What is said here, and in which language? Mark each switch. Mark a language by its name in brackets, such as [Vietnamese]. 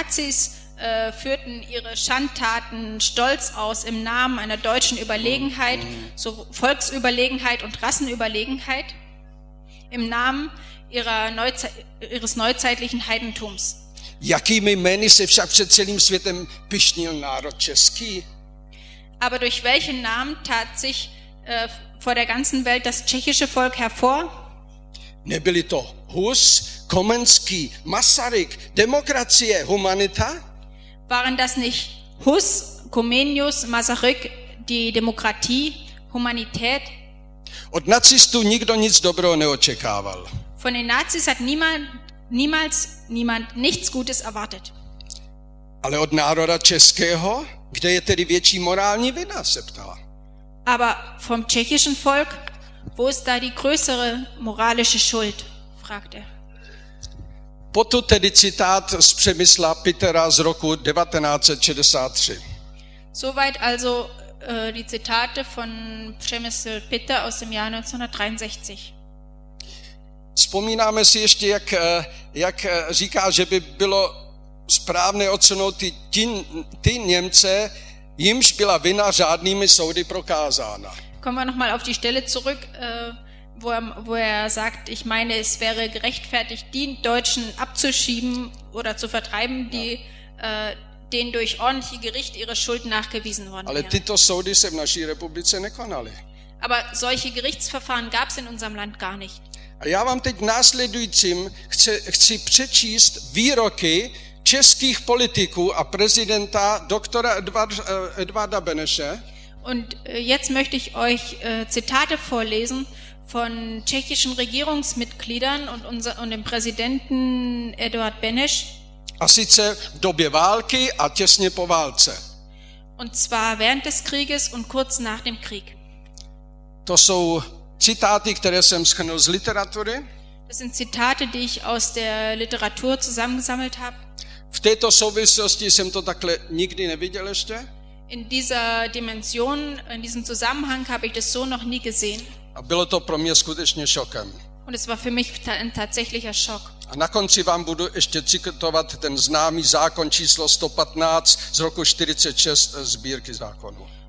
[German] Die Nazis führten ihre Schandtaten stolz aus im Namen einer deutschen Überlegenheit, so Volksüberlegenheit und Rassenüberlegenheit, im Namen ihres neuzeitlichen Heidentums. [Czech] Jakými jmény se však před celým světem pyšnil národ český? [German] Aber durch welchen Namen tat sich vor der ganzen Welt das tschechische Volk hervor? [Czech] Nebyli to Hus, Komenský, Masaryk, Demokracie, Humanita? [German] Waren das nicht Hus, Comenius, Masaryk, die Demokratie, Humanität? [Czech] Od nacistů nikdo nic dobrého neočekával. [German] Von den Nazis hat niemand nichts Gutes erwartet. [Czech] Ale od národa českého, kde je tedy větší morální vina, se ptala. [German] Aber vom tschechischen Volk, wo ist da die größere moralische Schuld, fragt er. [Czech] Potud tedy citát z Přemysla Pittera z roku 1963. [German] Soweit also die Zitate von Přemysl Pitter aus dem Jahr 1963. [Czech] Vzpomínáme si ještě, jak říká, že by bylo správné odsunout ty Němce, jimž byla vina řádnými soudy prokázána. [German] Kommen wir nochmal auf die Stelle zurück, wo er sagt, ich meine, es wäre gerechtfertigt, die Deutschen abzuschieben oder zu vertreiben, die denen durch ordentliche Gericht ihre Schuld nachgewiesen worden wäre. [Czech] Ale tyto soudy se v naší republice nekonaly. [German] Aber solche Gerichtsverfahren gab es in unserem Land gar nicht. [Czech] A já vám teď následujícím chci přečíst výroky českých politiků a prezidenta doktora Edvarda Beneše. [German] Und jetzt möchte ich euch Zitate vorlesen von tschechischen Regierungsmitgliedern und dem Präsidenten Eduard Beneš. [Czech] A sice v době války a těsně po válce. [German] Und zwar während des Krieges und kurz nach dem Krieg. [Czech] To jsou citáty, které jsem shrnul z literatury. [German] Das sind Zitate, die ich aus der Literatur zusammengesammelt habe. [Czech] V této souvislosti jsem to takhle nikdy neviděl ještě. [German] In dieser Dimension, in diesem Zusammenhang habe ich das so noch nie gesehen. [Czech] A bylo to pro mě skutečně šokem. [German] Und es war für mich ein tatsächlicher Schock. [Czech] A na konci vám budu ještě citovat ten známý zákon číslo 115 z roku 46 sbírky zákonů.